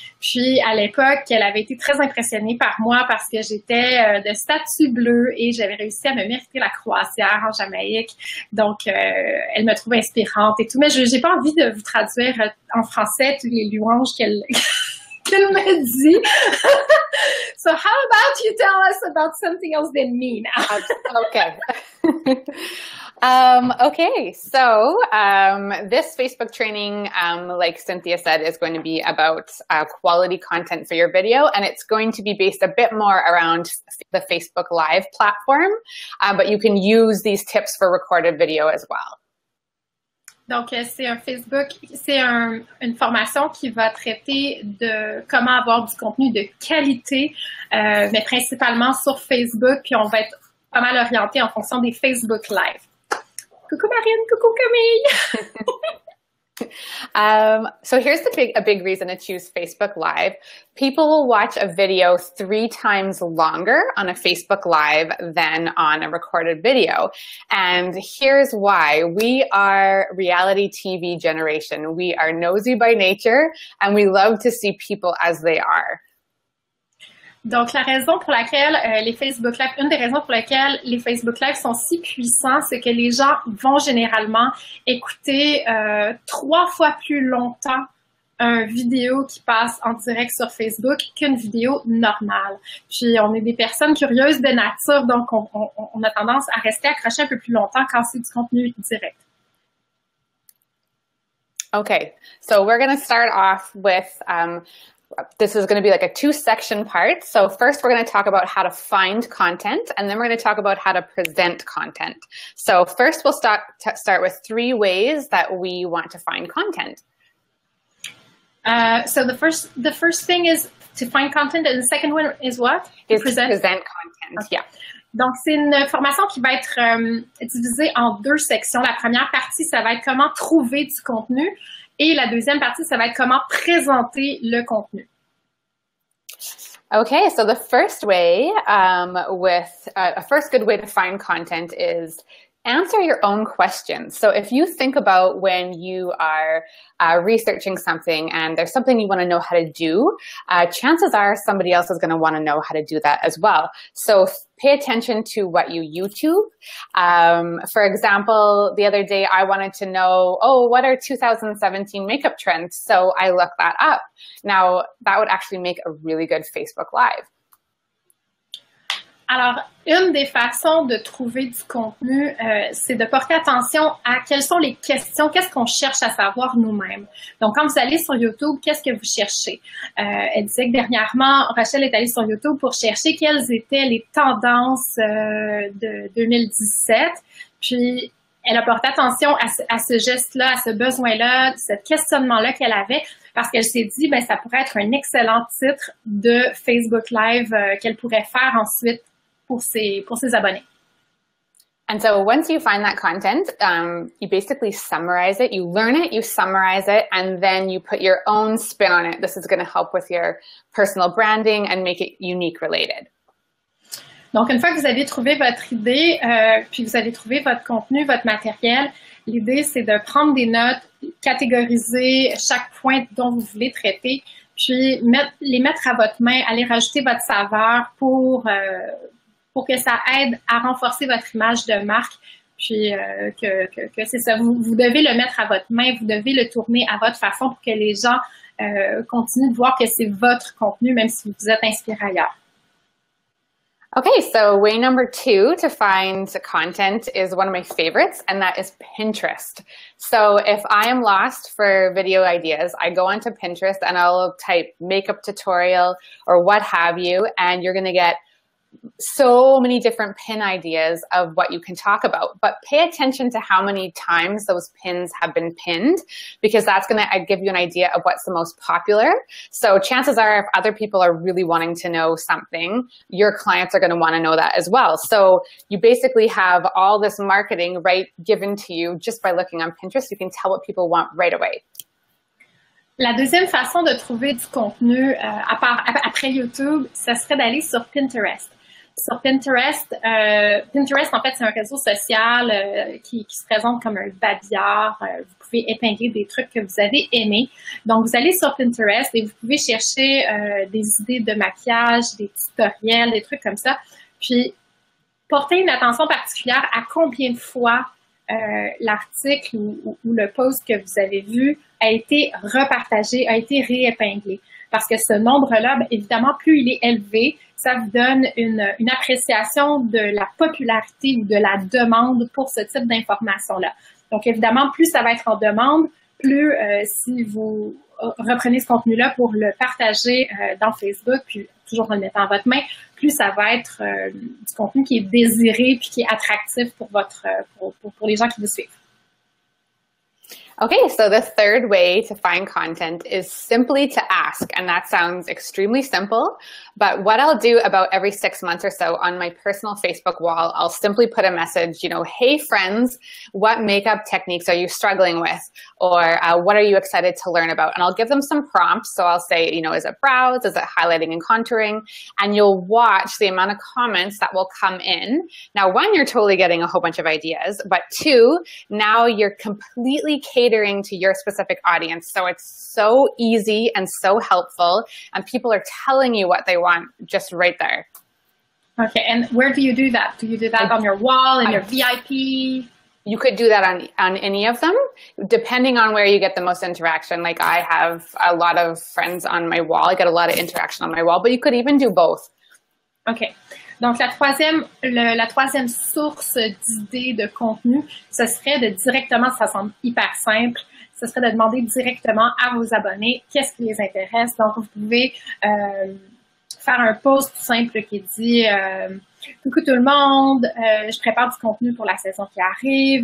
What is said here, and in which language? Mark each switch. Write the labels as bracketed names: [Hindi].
[French] Puis à l'époque, elle avait été très impressionnée par moi parce que j'étais de statut bleu et j'avais réussi à me mériter la croisière en Jamaïque. Donc, elle me trouve inspirante et tout. Mais je n'ai pas envie de vous traduire en français toutes les louanges qu'elle me dit. [English] So, how about you tell us about something else than me now? Okay, so this Facebook training, like Cynthia said, is going to be about quality content for your video, and it's going to be based a bit more around the Facebook Live platform, but you can use these tips for recorded video as well. [French] Donc, c'est un Facebook, c'est une formation qui va traiter de comment avoir du contenu de qualité, mais principalement sur Facebook, puis on va être pas mal orienté en fonction des Facebook Live. Coucou Marine, coucou Camille! [English] So here's the big a big reason to choose Facebook Live. People will watch a video 3 times longer on a Facebook Live than on a recorded video. And here's why. We are reality TV generation. We are nosy by nature, and we love to see people as they are. [French] Donc, la raison pour laquelle les Facebook Live, une des raisons pour lesquelles les Facebook Live sont si puissants, c'est que les gens vont généralement écouter 3 fois plus longtemps une vidéo qui passe en direct sur Facebook qu'une vidéo normale. Puis, on est des personnes curieuses de nature, donc on a tendance à rester accroché un peu plus longtemps quand c'est du contenu direct. [English] Okay, so we're going to start off with this is going to be like a two-section part. So first we're going to talk about how to find content, and then we're going to talk about how to present content. So first we'll start with 3 ways that we want to find content. So the first thing is to find content, and the second one is what? To Is to present. present content, Okay. yeah. [French] Donc c'est une formation qui va être divisée en 2 sections. La première partie, ça va être comment trouver du contenu, et la deuxième partie, ça va être comment présenter le contenu. [English] Okay, so the first way, with a first good way to find content is answer your own questions. So if you think about when you are researching something and there's something you want to know how to do, chances are somebody else is going to want to know how to do that as well. So pay attention to what you YouTube. For example, the other day I wanted to know, oh, what are 2017 makeup trends? So I looked that up. Now, that would actually make a really good Facebook Live. [French] Alors, une des façons de trouver du contenu, c'est de porter attention à quelles sont les questions, qu'est-ce qu'on cherche à savoir nous-mêmes. Donc, quand vous allez sur YouTube, qu'est-ce que vous cherchez? Elle disait que dernièrement, Rochelle est allée sur YouTube pour chercher quelles étaient les tendances de 2017. Puis, elle a porté attention à ce geste-là, à ce besoin-là, ce questionnement-là qu'elle avait, parce qu'elle s'est dit, ben, ça pourrait être un excellent titre de Facebook Live qu'elle pourrait faire ensuite pour ses abonnés. [English] And so once you find that content, you basically summarize it, you learn it, you summarize it, and then you put your own spin on it. This is going to help with your personal branding and make it unique related. [French] Donc, une fois que vous avez trouvé votre idée, puis vous avez trouvé votre contenu, votre matériel, l'idée, c'est de prendre des notes, catégoriser chaque point dont vous voulez traiter, puis les mettre à votre main, aller rajouter votre saveur pour que ça aide à renforcer votre image de marque, puis que c'est ça. Vous devez le mettre à votre main, vous devez le tourner à votre façon pour que les gens continuent de voir que c'est votre contenu, même si vous êtes inspiré ailleurs. [English] Okay, so way number two to find content is one of my favorites, and that is Pinterest. So if I am lost for video ideas, I go onto Pinterest and I'll type makeup tutorial or what have you, and you're going to get so many different pin ideas of what you can talk about. But pay attention to how many times those pins have been pinned, because that's going to give you an idea of what's the most popular. So chances are, if other people are really wanting to know something, your clients are going to want to know that as well. So you basically have all this marketing right given to you just by looking on Pinterest. You can tell what people want right away. [French] La deuxième façon de trouver du contenu après YouTube, ce serait d'aller sur Pinterest. Sur Pinterest, Pinterest, en fait, c'est un réseau social qui se présente comme un babillard. Vous pouvez épingler des trucs que vous avez aimés. Donc, vous allez sur Pinterest et vous pouvez chercher des idées de maquillage, des tutoriels, des trucs comme ça. Puis, portez une attention particulière à combien de fois l'article ou le post que vous avez vu a été repartagé, a été réépinglé. Parce que ce nombre-là, bien, évidemment, plus il est élevé, ça vous donne une appréciation de la popularité ou de la demande pour ce type d'information-là. Donc, évidemment, plus ça va être en demande, plus si vous reprenez ce contenu-là pour le partager dans Facebook, puis toujours en le mettant en votre main, plus ça va être du contenu qui est désiré puis qui est attractif pour les gens qui vous suivent. [English] Okay, so the third way to find content is simply to ask, and that sounds extremely simple, but what I'll do about every 6 months or so on my personal Facebook wall, I'll simply put a message, you know, hey friends, what makeup techniques are you struggling with, or what are you excited to learn about, and I'll give them some prompts, so I'll say, you know, is it brows, is it highlighting and contouring, and you'll watch the amount of comments that will come in. Now, one, you're totally getting a whole bunch of ideas, but two, now you're completely catering to your specific audience. So it's so easy and so helpful, and people are telling you what they want just right there. Okay, and where do you do that? Do you do that on your wall, in your VIP? You could do that on any of them, depending on where you get the most interaction. Like, I have a lot of friends on my wall. I get a lot of interaction on my wall, but you could even do both. Okay. [French] Donc, la troisième source d'idées de contenu, ce serait de directement, ça semble hyper simple, ce serait de demander directement à vos abonnés qu'est-ce qui les intéresse. Donc, vous pouvez faire un post simple qui dit « Coucou tout le monde, je prépare du contenu pour la saison qui arrive.